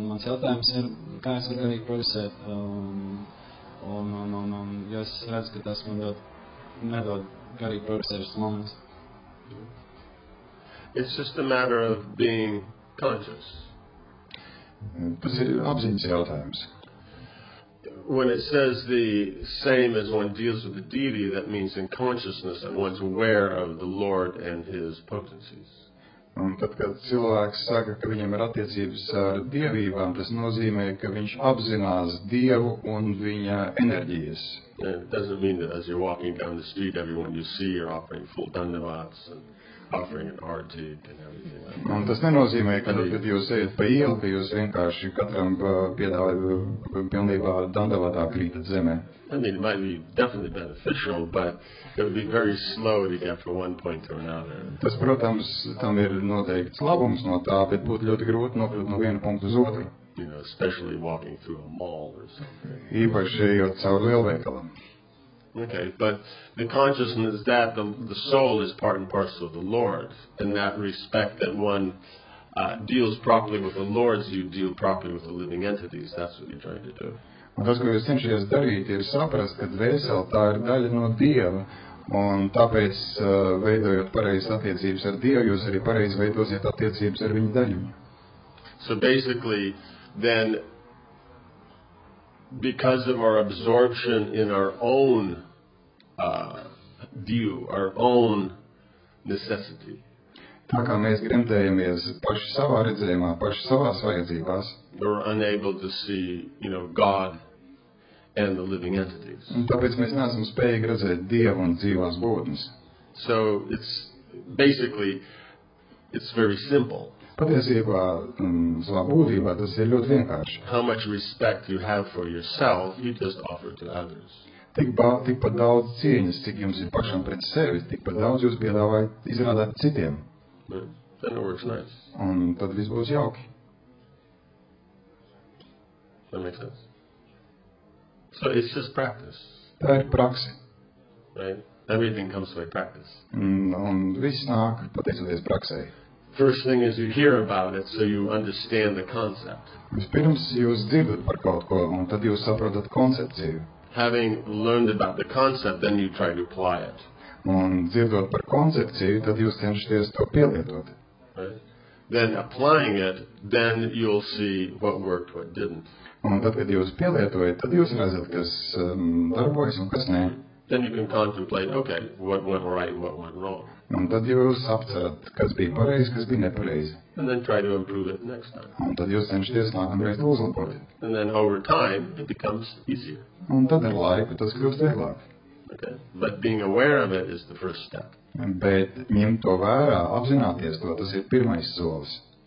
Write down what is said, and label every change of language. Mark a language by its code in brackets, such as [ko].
[lv] Un mans jautājums ir, kā es varu arī progresēt. Un jo es redzu, ka tas man nedod garīgi progresēšas moments. [en] It's just a matter of being conscious. [lv] Tas ir apziņas jautājums. [en] When it says the same as one deals with the deity, that means in consciousness that one's aware of the Lord and his potencies. [lv] Un tad, kad cilvēks saka, ka viņam ir attiecības ar dievībām, tas nozīmē, ka viņš apzinās Dievu un viņa enerģijas. [en] And it doesn't mean that as you're walking down the street, everyone you see are offering full dandavats and offering an RT and everything. [lv] Un tas nenozīmē, ka tad jūs ejat pa ielu, ka jūs vienkārši katram piedāvāt pilnībā dandavatā krītat zemē. [en] I mean, it might be definitely beneficial, but it would be very slow to get from one point to another. [lv] Tas, protams, tam ir noteikts labums no tā, bet būtu ļoti grūti nokļūt no viena punkta uz otru. [en] You know, especially walking through a mall or something. [lv] Īpaši ejot caur lielveikalam. [en] Okay, but the consciousness that the soul is part and parcel of the Lord, in that respect that one deals properly with the Lord's, you deal properly with the living entities, that's what you're trying to do. [lv] Un tas, ko jūs cenšaties darīt, ir saprast, ka dvēseli tā ir daļa no Dieva, un tāpēc, veidojot pareizas attiecības ar Dievu, jūs arī pareizi veidosiet attiecības ar viņu daļu. [en] So basically, then, because of our absorption in our own view, our own necessity, [lv] tā kā mēs gremdējamies paši savā redzējumā, paši savās vajadzībās, [en] we're unable to see, you know, God and the living entities. [lv] Un tāpēc mēs neesam spējīgi redzēt Dievu un dzīvās būtnes. [en] So it's basically, it's very simple. [lv] Patiesībā, savā būtībā, tas ir ļoti vienkārši. [en] How much respect you have for yourself, you just offer to others. [lv] Tik pat daudz cieņas, cik jums ir pašam pret sevi, tik pat daudz jūs piedāvājat izrādāt citiem. [en] Then it works nice. [lv] Un tad viss būs jauki. [en] That makes sense. So it's just practice. [lv] Tā ir praksi. [en] Right? Everything comes by practice. [lv] Un viss nāk pateicoties praksē. [en] First thing is you hear about it, so you understand the concept. [lv] Vispirms jūs dzirdat par kaut ko, un tad jūs saprotat koncepciju. [en] Having learned about the concept, then you try to apply it. [lv] Un dzirdot par koncepciju, tad jūs cenšaties to pielietot. [en] Then applying it, then you'll see what worked, what didn't. [lv] Un tad, kad jūs pielietojat, tad jūs redzat, kas darbojas un kas nē. [en] Then you can contemplate, okay, what went right, what went wrong. [lv] Un tad jūs apcerat, kas bija pareizi, kas bija nepareizi. [en] And then try to improve it next time. [lv] Un tad jūs cenšaties nākamreiz to uzlabot. [en] And then over time, it becomes easier. [lv] Un tad ar laiku tas kļūst vieglāk. [en] Okay, but being aware of it is the first step. [lv] Bet ņemt to vērā, apzināties to, tas ir pirmais solis.